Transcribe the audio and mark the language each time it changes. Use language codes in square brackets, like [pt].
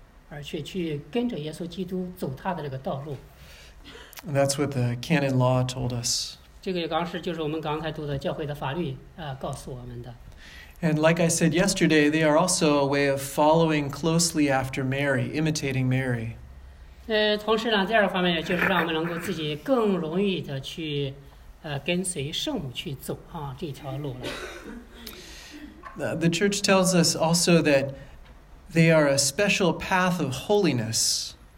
[zh] 那第一个呢，就是他就是帮助我们更容易啊去接近，而且去跟着耶稣基督走他的这个道路。 [en] That's what the canon law told us. [zh] 这个也刚是就是我们刚才读的教会的法律告诉我们的。 [en] And like I said yesterday, they are also a way of following closely after Mary, imitating Mary. [zh] 同时呢，第二方面呢，就是让我们能够自己更容易的去跟随圣母去走啊这条路了。 [en] The Church tells us also that they are a special path of holiness.